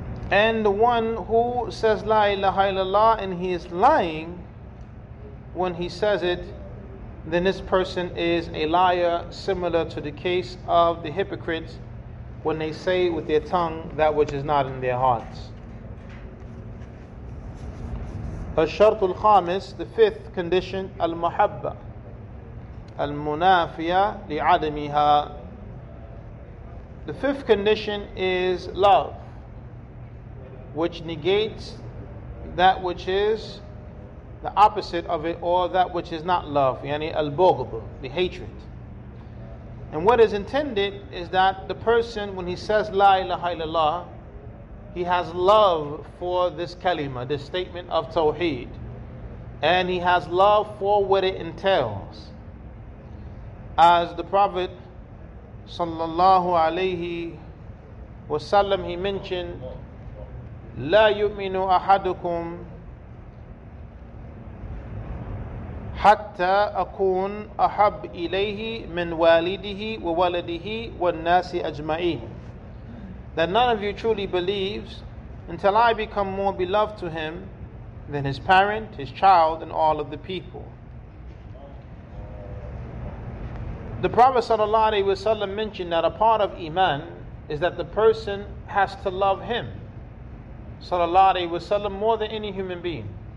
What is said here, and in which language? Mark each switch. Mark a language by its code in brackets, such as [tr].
[en] And the one who says la ilaha illallah and he is lying when he says it, then this person is a liar, similar to the case of the hypocrites when they say with their tongue that which is not in their hearts. [ar] الشرط الخامس, [en] the fifth condition, [ar] المحبة المنافية لعدمها. [en] The fifth condition is love, which negates that which is the opposite of it, or that which is not love, [ar] يعني البغض, [en] the hatred. And what is intended is that the person, when he says [ar] لا إله إلا الله, [en] he has love for this kalima, this statement of Tawheed. And he has love for what it entails. As the Prophet sallallahu alayhi wasallam, he mentioned, [ar] لا يؤمن أحدكم حتى أكون أحب إليه من والده وولده والناس أجمعين. [en] That none of you truly believes until I become more beloved to him than his parent, his child, and all of the people. The Prophet sallallahu alaihi wasallam mentioned that a part of iman is that the person has to love him sallallahu alaihi wasallam more than any human being.